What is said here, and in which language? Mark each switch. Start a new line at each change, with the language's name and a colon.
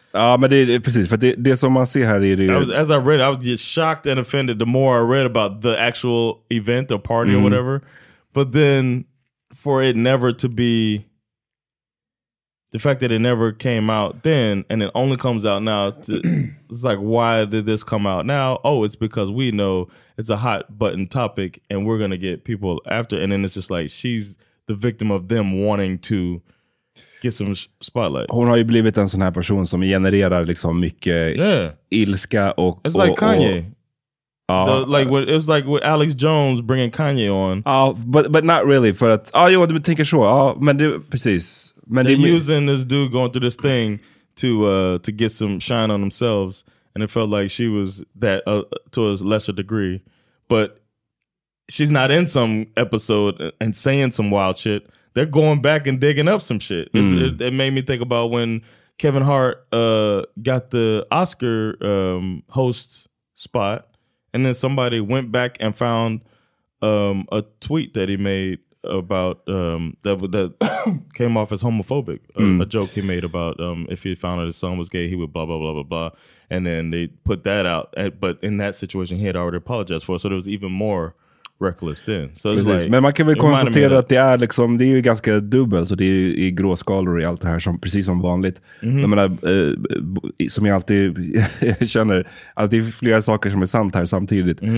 Swedish: Ah, men det precis, för det som man ser här är det.
English: As I read, I was just shocked and offended the more I read about the actual event or party or whatever, but then for it never to be, the fact that it never came out then and it only comes out now, it's like, why did this come out now? Oh, it's because we know it's a hot button topic and we're gonna get people after. And then it's just like she's the victim of them wanting to get some spotlight.
Swedish: Hon har ju blivit en sån här person som genererar liksom mycket ilska och
English: it's like Kanye. It was like with Alex Jones bringing Kanye on. But not really.
Swedish: För att, jo, du tänker så. Men det, precis. Men
English: they're using this dude going through this thing to get some shine on themselves. And it felt like she was that to a lesser degree. But she's not in some episode and saying some wild shit. They're going back and digging up some shit. It made me think about when Kevin Hart got the Oscar host spot. And then somebody went back and found a tweet that he made about that came off as homophobic. A joke he made about if he found out his son was gay, he would blah, blah, blah, blah, blah. And then they put that out. But in that situation, he had already apologized for it. So there was even more reckless then. So it's like,
Swedish: men man kan väl konstatera att det är liksom, det är ju ganska dubbelt och det är i gråskalor i allt det här som precis som vanligt. Jag menar, som jag alltid känner att det är flera saker som är sant här samtidigt.